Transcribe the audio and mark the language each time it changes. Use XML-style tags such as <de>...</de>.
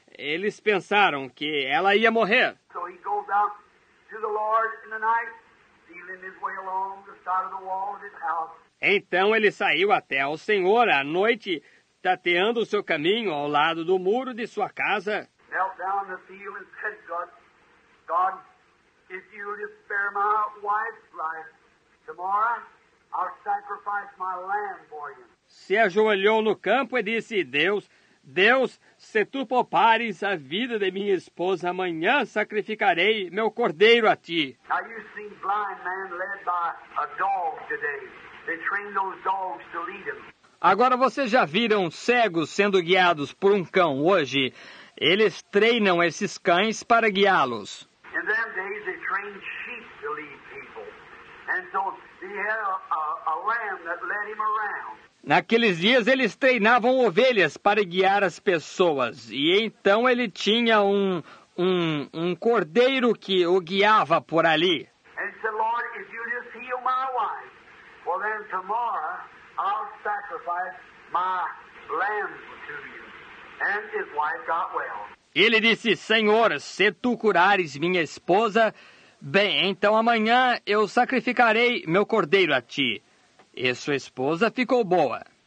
<pt>Eles pensaram que ela ia morrer.</pt> <en>So he goes out to the Lord in the night, feeling his way along the side of the wall of his house.</en> <pt>Então ele saiu até o Senhor à noite, tateando o seu caminho ao lado do muro de sua casa.</pt> <en>Knelt down in the field and said, God, if you will just spare my wife's life tomorrow, I'll sacrifice my lamb for you.</en> <pt>Se ajoelhou no campo e disse: Deus, se tu poupares a vida de minha esposa, amanhã sacrificarei meu cordeiro a ti.</pt> <en>Now you've seen blind man led by a dog today. They train those dogs to lead him.</en> <pt>Agora vocês já viram cegos sendo guiados por um cão hoje? Eles treinam esses cães para guiá-los.</pt> <en>In them days they trained sheep to lead people. And so they had a lamb that led him around.</en> <pt>Naqueles dias eles treinavam ovelhas para guiar as pessoas. E então ele tinha um cordeiro que o guiava por ali.</pt> <en>And said, Lord, if you just heal my wife, well then tomorrow I'll sacrifice my lamb to you. And his wife got well.</en> <pt>Ele disse: Senhor, se tu curares minha esposa, bem, então amanhã eu sacrificarei meu cordeiro a ti. E sua esposa ficou boa.</pt>